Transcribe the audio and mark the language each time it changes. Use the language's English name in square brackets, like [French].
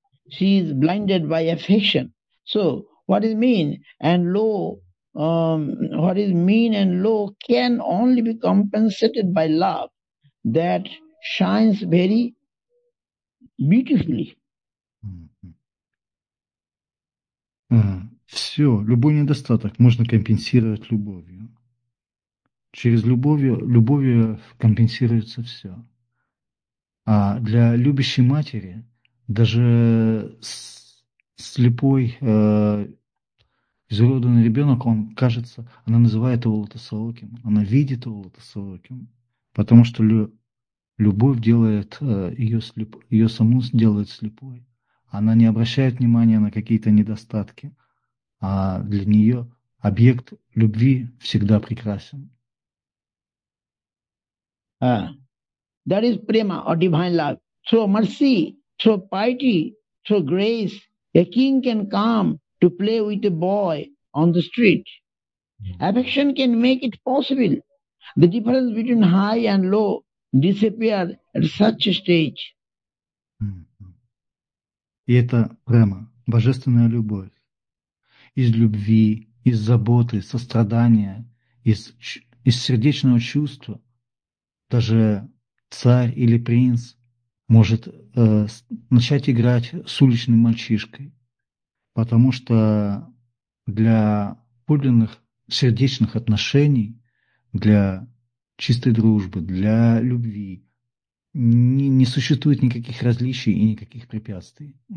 [English] She is blinded by affection. So, what is mean and low? What is mean and low can only be compensated by love that shines very beautifully. [Russian] Все, любой недостаток можно компенсировать любовью. Через любовью, любовью компенсируется все. А для любящей матери даже слепой, изуродованный ребенок, он кажется, она называет его лотосооким, она видит его лотосооким, потому что любовь делает ее саму делает слепой. Она не обращает внимания на какие-то недостатки, а для нее объект любви всегда прекрасен. [English] That is prema or divine love. Through mercy, through piety, through grace, a king can come to play with a boy on the street. Affection can make it possible. The difference between high and low disappears at such a stage. [Russian] И это према, божественная любовь. Из любви, из заботы, сострадания, из сердечного чувства даже царь или принц может начать играть с уличным мальчишкой, потому что для подлинных сердечных отношений, для чистой дружбы, для любви не существует никаких различий и никаких препятствий.